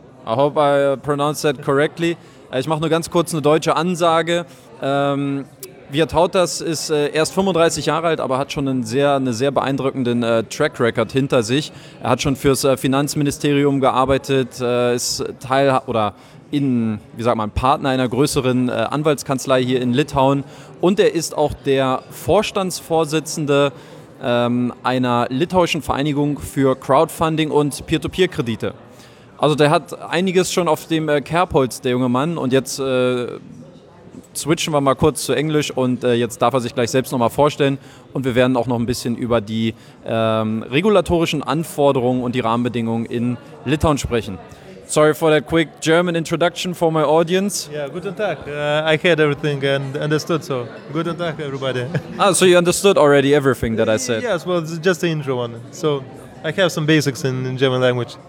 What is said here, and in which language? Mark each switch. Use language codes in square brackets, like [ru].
[en] I hope I pronounced that correctly. [de] Ich mache nur ganz kurz eine deutsche Ansage. Vytautas ist erst 35 Jahre alt, aber hat schon einen sehr beeindruckenden Track Record hinter sich. Er hat schon fürs Finanzministerium gearbeitet, ist Teil oder in, wie sagt man, Partner einer größeren Anwaltskanzlei hier in Litauen. Und er ist auch der Vorstandsvorsitzende einer litauischen Vereinigung für Crowdfunding und Peer-to-Peer-Kredite. Also der hat einiges schon auf dem Kerbholz, der junge Mann. Und jetzt switchen wir mal kurz zu Englisch und jetzt darf er sich gleich selbst nochmal vorstellen. Und wir werden auch noch ein bisschen über die regulatorischen Anforderungen und die Rahmenbedingungen in Litauen sprechen. [en] Sorry for that quick German introduction for my audience. Yeah, [de] guten Tag. [en] I heard everything and understood, so [de] guten Tag, [en] everybody. Ah, so you understood already everything that I said? Yes, well, it's just the intro one. So I have some basics in German language.